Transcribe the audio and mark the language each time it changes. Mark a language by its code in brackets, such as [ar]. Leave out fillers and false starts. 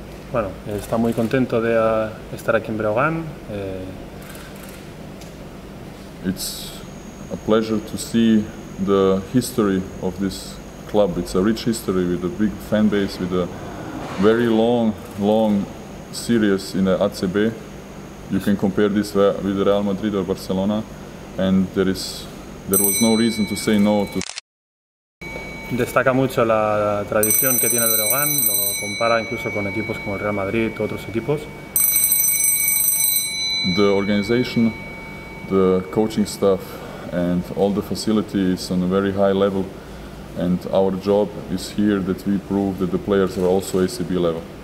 [es] Bueno, está muy contento de estar aquí en Breogán. [en] It's a pleasure to see the history of this club. It's a rich history with a big fan base, with a very long, long series in the ACB. You can compare this with Real Madrid or Barcelona, and there was no reason to say no to. [es] Destaca mucho la tradición que tiene el Breogán, lo compara incluso con equipos como el Real Madrid o otros equipos. [en] The organization, the coaching staff and all the facilities on a very high level, and our job is here that we prove that the players are also ACB level.